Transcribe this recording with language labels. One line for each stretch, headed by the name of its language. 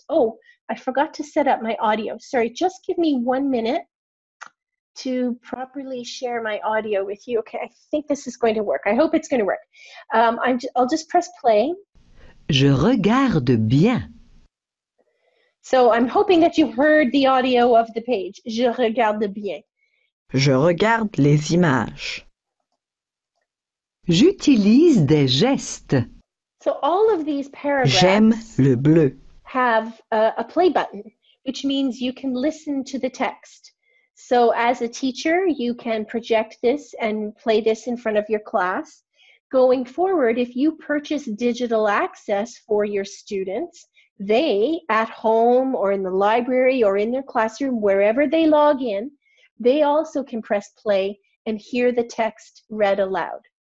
English: Oh, I forgot to set up my audio. Sorry, just give me 1 minute to properly share my audio with you. Okay, I think this is going to work. I hope it's going to work. I'll just press play.
French: Je regarde bien.
English: So I'm hoping that you heard the audio of the page.
French: Je regarde bien. Je regarde les images. J'utilise des gestes.
English: So all of these paragraphs
French: J'aime le bleu.
English: Have a play button, which means you can listen to the text. So as a teacher, you can project this and play this in front of your class. Going forward, if you purchase digital access for your students, they, at home or in the library or in their classroom, wherever they log in, they also can press play and hear the text read aloud.